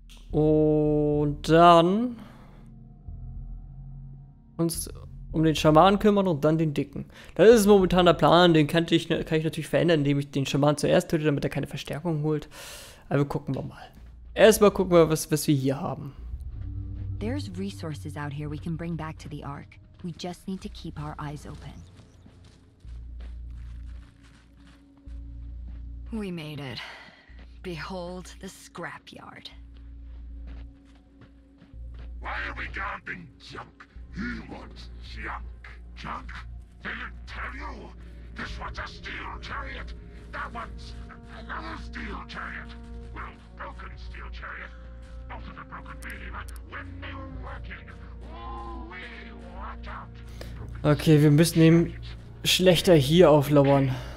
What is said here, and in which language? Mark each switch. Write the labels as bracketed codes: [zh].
[de] Und dann uns um den Schamanen kümmern und dann den Dicken. Das ist momentan der Plan, den kann ich natürlich verändern, indem ich den Schamanen zuerst töte, damit er keine Verstärkung holt. Aber gucken wir mal. Erstmal gucken wir, was wir hier haben. [en] There's resources out here we can bring back to the Ark. We just need to keep our eyes open. We made it. Behold the scrapyard. Why are we dumping junk? He wants junk. Junk? Didn't tell you? This one's a steel chariot. That one's another steel chariot. Well, broken steel chariot. Both of them broken beam. When they were working, we watch out. [de] Okay, wir müssen ihm schlechter hier auflauern.